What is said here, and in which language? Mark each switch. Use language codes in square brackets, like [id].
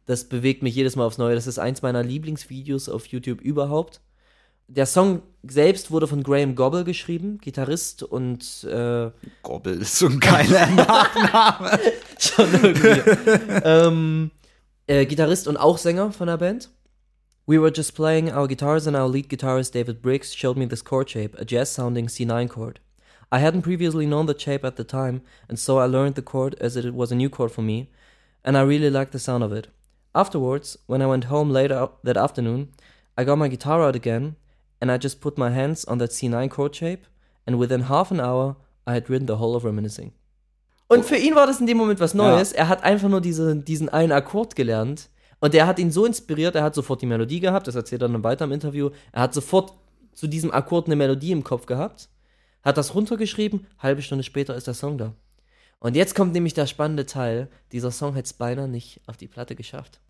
[de] Das bewegt mich jedes Mal aufs Neue. Das ist eins meiner Lieblingsvideos auf YouTube überhaupt. Der Song selbst wurde von Graham Gobble geschrieben, Gitarrist und Gobble ist so ein geiler Nachname. Schon irgendwie. Gitarrist und auch Sänger von der Band. [en] We were just playing our guitars and our lead guitarist David Briggs showed me this chord shape, a jazz-sounding C9 chord. I hadn't previously known the shape at the time, and so I learned the chord as it was a new chord for me, and I really liked the sound of it. Afterwards, when I went home later that afternoon, I got my guitar out again, and I just put my hands on that C9 chord shape, and within half an hour, I had written the whole of Reminiscing. [de] Und für ihn war das in dem Moment was Neues. Ja. Er hat einfach nur diesen einen Akkord gelernt. Und der hat ihn so inspiriert, er hat sofort die Melodie gehabt, das erzählt er dann weiter im Interview. Er hat sofort zu diesem Akkord eine Melodie im Kopf gehabt, hat das runtergeschrieben, halbe Stunde später ist der Song da. Und jetzt kommt nämlich der spannende Teil, dieser Song hätte es beinahe nicht auf die Platte geschafft.